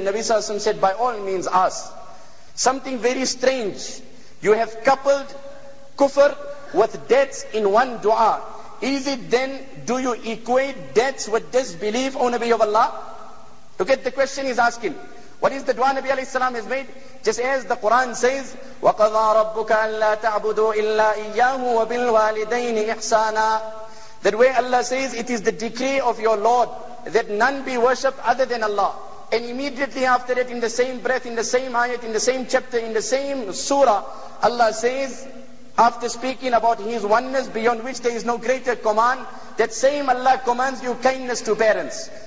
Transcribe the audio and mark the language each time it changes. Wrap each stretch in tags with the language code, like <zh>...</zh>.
<en>Nabi Sallallahu Alaihi Wasallam said, by all means ask. Something very strange. You have coupled kufr with debts in one dua. Is it then, do you equate debts with disbelief, O Nabi of Allah? Look at the question he's asking. What is the dua Nabi alayhi salam has made? Just as the Quran says,</en> <ar>وَقَضَى رَبُّكَ أَلَّا تَعْبُدُوا إِلَّا إِيَّاهُ وَبِالْوَالِدَيْنِ إِحْسَانًا.</ar> <en>That way Allah says, it is the decree of your Lord that none be worshipped other than Allah. And immediately after that, in the same breath, in the same ayat, in the same chapter, in the same surah, Allah says, after speaking about His oneness beyond which there is no greater command, that same Allah commands you kindness to parents.</en>